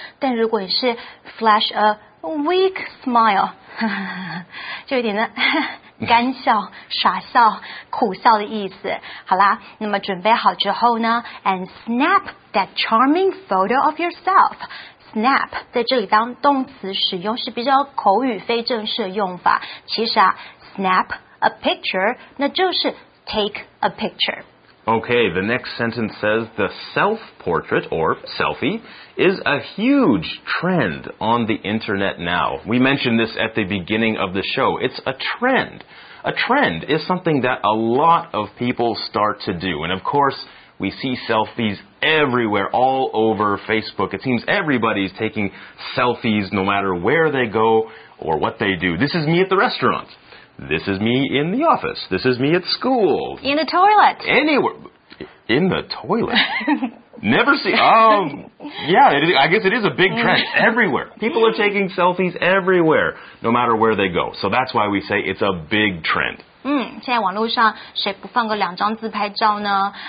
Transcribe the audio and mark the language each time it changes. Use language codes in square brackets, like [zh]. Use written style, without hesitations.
[zh] 但如果你是 [en] Flash a weak smile， [zh] 就有点呢干笑、傻笑、苦笑的意思。好啦，那么准备好之后呢 [en] ？And snap that charming photo of yourself. [zh] Snap 在这里当动词使用是比较口语、非正式的用法。其实啊 ， [en] snap a picture [zh] 那就是 [en] take a picture。 Okay, the next sentence says the self-portrait or selfie is a huge trend on the internet now. We mentioned this at the beginning of the show. It's a trend. A trend is something that a lot of people start to do. And of course, we see selfies everywhere, all over Facebook. It seems everybody's taking selfies no matter where they go or what they do. This is me at the restaurant. This is me in the office. This is me at school. In the toilet. Anywhere. In the toilet. Never see. Yeah, I guess it is a big trend everywhere. People are taking selfies everywhere, no matter where they go. So that's why we say it's a big trend. [zh] 现在网络上谁不放个两张自拍照呢？